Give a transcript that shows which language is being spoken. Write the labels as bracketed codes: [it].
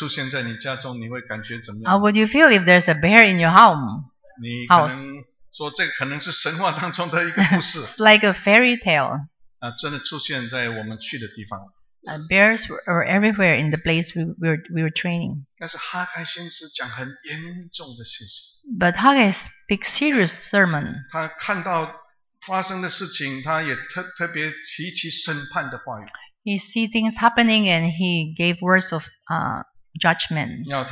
[zh] 各位，一只小熊假如出现在你家中，你会感觉怎么样？ [en] How would you feel if there's a bear in your home? [zh] 你可能说这可能是神话当中的一个故事。 [en] It's like a fairy tale. [zh] 真的出现在我们去的地方。 [en] Bears were everywhere in the place we were training. But Haggai speaks serious sermon. He sees things happening and he gave words of judgment.